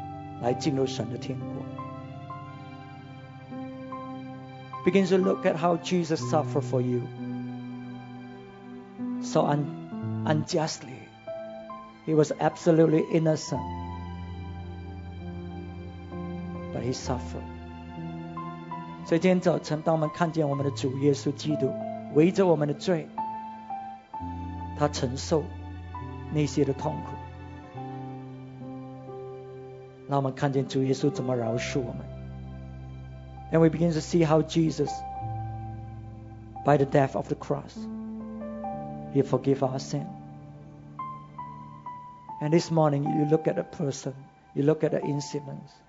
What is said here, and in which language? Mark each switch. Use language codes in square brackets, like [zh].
[zh] 这个就是为什么你需要在思想重生来进入神的天国。 [en] Begin to look at how Jesus suffered for you so unjustly. He was absolutely innocent, but he suffered. [zh] 所以今天早晨当我们看见我们的主耶稣基督围着我们的罪，他承受那些的痛苦，让我们看见主耶稣怎么饶恕我们。 [en] And we begin to see how Jesus, by the death of the cross, He forgave our sin. And this morning, you look at a person, you look at the incident.